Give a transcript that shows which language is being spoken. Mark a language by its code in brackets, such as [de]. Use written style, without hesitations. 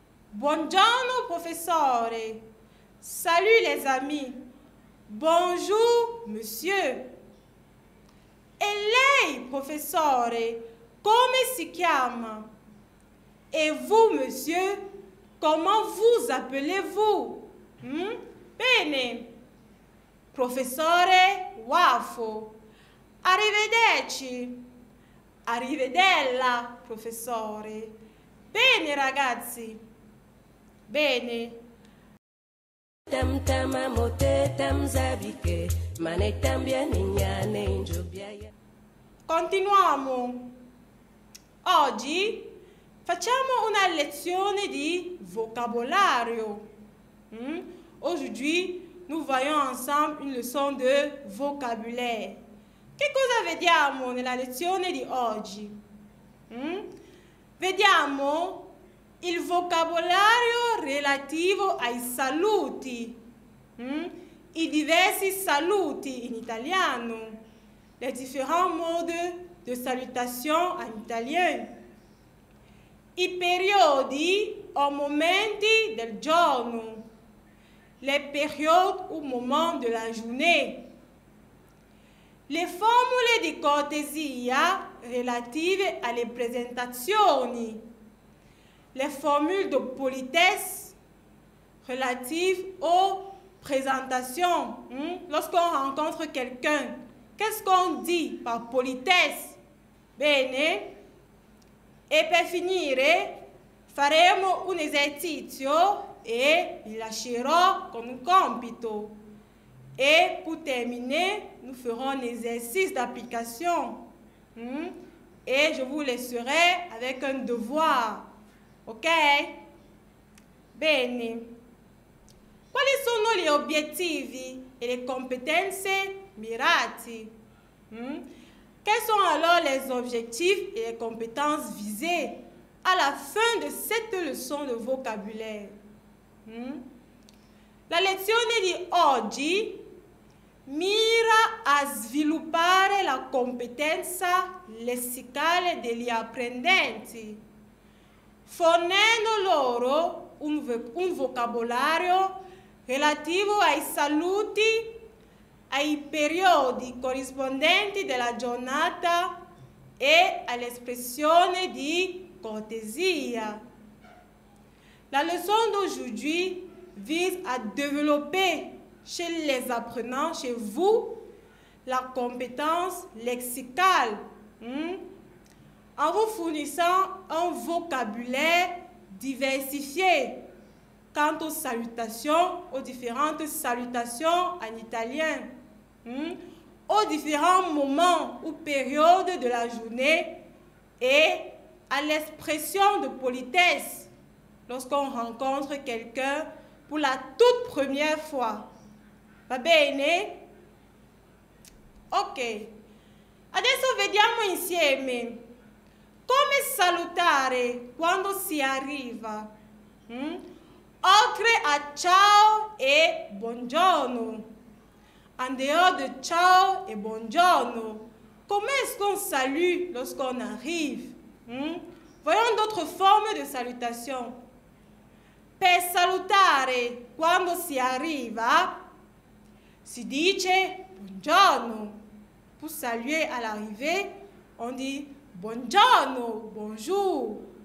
[it] Buongiorno, professore. [fr] Salut, les amis. Bonjour, monsieur. [it] E lei, professore, come si chiama? [fr] E vous, monsieur, comment vous appelez-vous? [it] Bene. Professore Wafo. Arrivederci. Arrivederla, professore. Bene, ragazzi. Bene. Tam tam amote tam zabike, mane tambia niñane njobiaya. Continuiamo. Oggi facciamo una lezione di vocabolario. [fr] Aujourd'hui, nous voyons ensemble une leçon de vocabulaire. [it] Che cosa vediamo nella lezione di oggi? Vediamo il vocabolario relativo ai saluti. I diversi saluti in italiano. [fr] Les différents modes de salutation en italien. [it] I periodi o momenti del giorno. [fr] Les périodes ou moments de la journée. Les formules [it] di cortesia relative alle presentazioni. [fr] Les formules de politesse relatives aux présentations. Lorsqu'on rencontre quelqu'un, qu'est-ce qu'on dit par politesse? [it] Bene. E per finire, faremo un esercizio e vi lascerò con un compito. E per terminare, [fr] nous ferons un esercice d'application. E je vous laisserai avec un devoir. [it] Ok? Bene. Quali sono gli obiettivi e le competenze mirati? [fr] Quels sont alors les objectifs et les compétences visées à la fin de cette leçon de vocabulaire? [it] La lezione di oggi mira a sviluppare la competenza lessicale degli apprendenti, fornendo loro un vocabolario relativo ai saluti, ai periodi corrispondenti della giornata e all'espressione di cortesia. [fr] La leçon d'aujourd'hui vise à développer chez les apprenants, chez vous, la compétence lexicale, en vous fournissant un vocabulaire diversifié quant aux salutations, aux différentes salutations en italien, aux différents moments ou périodes de la journée et à l'expression de politesse lorsqu'on rencontre quelqu'un pour la toute première fois. [it] Va bene? Ok. Adesso vediamo insieme come salutare quando si arriva. Oltre a ciao e buongiorno, [fr] en dehors de ciao e buongiorno, comment est-ce qu'on salue lorsqu'on arrive? Voyons d'autres formes de salutation. [it] Per salutare quando si arriva, si dice buongiorno. [fr] Pour saluer à l'arrivée, on dit buongiorno, bonjour.